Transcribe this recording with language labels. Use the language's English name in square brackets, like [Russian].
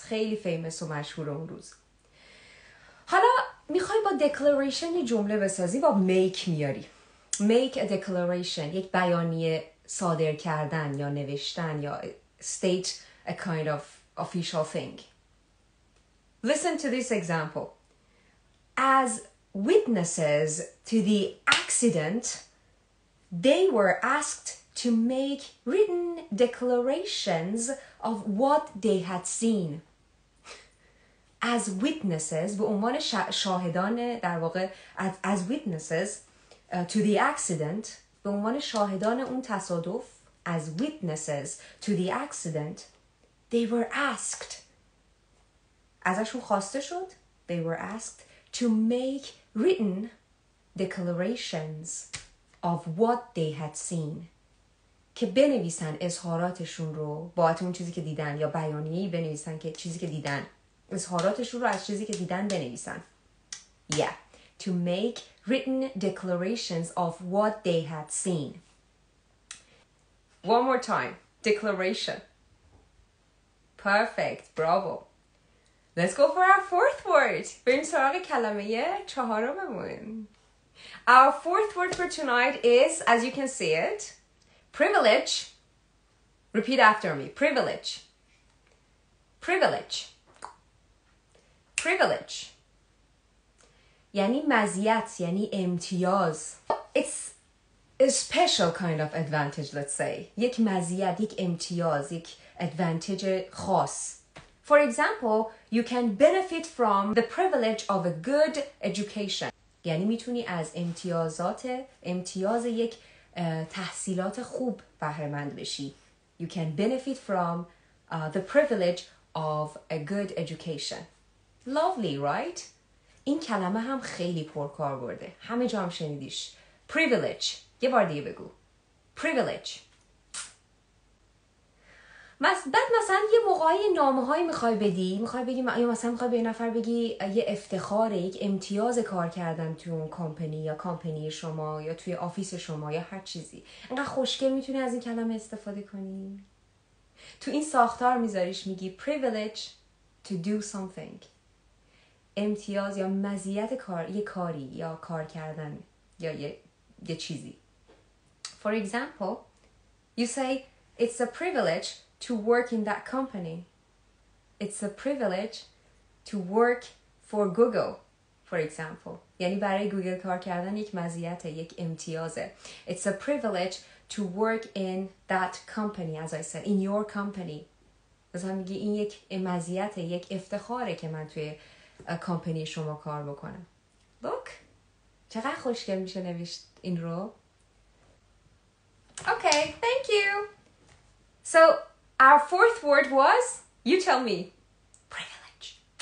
[Persian] خیلی famous و مشهور اون روز. حالا میخوای با declaration یه جمله بسازی با make میاری. [English] Make a declaration. [Persian] یک بیانیه صادر کردن یا نوشتن یا [English] state a kind of official thing. Listen to this example. As witnesses to the accident, they were asked to make written declarations of what they had seen. As witnesses, [Persian] به عنوان شاهدان در واقع, [English] as witnesses to the accident, [Persian] به عنوان شاهدان اون تصادف, [English] as witnesses to the accident, they were asked. [Persian] ازشون خواسته شد, [English] they were asked to make written declarations of what they had seen. [Persian] که بنویسن اظهاراتشون رو باعث اون چیزی که دیدن یا بیانیه‌ای بنویسن که چیزی که دیدن اظهاراتشون رو از چیزی که دیدن بنویسن. [English] Yeah. To make written declarations of what they had seen. One more time. Declaration. Perfect. Bravo. Let's go for our fourth word. [Persian] بریم سراغ کلمه چهارممون. [English] Our fourth word for tonight is, as you can see it, privilege. Repeat after me. Privilege. Privilege. Privilege. [Persian] یعنی مزیت, یعنی امتیاز. [English] It's a special kind of advantage, let's say. [Persian] یک مزیت, یک امتیاز, یک advantage خاص. [English] For example, you can benefit from the privilege of a good education. [Persian] یعنی میتونی از امتیاز یک تحصیلات خوب بهره‌مند بشی. [English] You can benefit from the privilege of a good education. Lovely, right? [Persian] این کلمه هم خیلی پرکاربرده. همه جا هم شنیدیش. Privilege. یه بار دیگه بگو. Privilege. بعد مثلا یه موقعی نامه هایی میخوای بدی, میخوای بگی, یا مثلا میخوای به یه نفر بگی یه افتخار, یک امتیاز کار کردن توی اون کمپانی یا کمپانی شما یا توی آفیس شما یا هر چیزی, انقدر خوشگل میتونی از این کلمه استفاده کنی. تو این ساختار میذاریش, میگی [English] privilege to do something. [Persian] امتیاز یا مزیت کار یه کاری یا کار کردن یا یه چیزی. [English] For example, you say it's a privilege to work in that company. It's a privilege to work for Google, for example. [Persian] یعنی برای گوگل کار کردن یک مزیت، یک امتیازه. [English] It's a privilege to work in that company, as I said, in your company. [Persian] از هم میگی این یک مزیت، یک افتخاره که من توی کمپانی شما کار بکنم. Look, چقدر خوشگل میشه نوشت این رو. [English] Okay, thank you. So, our fourth word was, you tell me, privilege.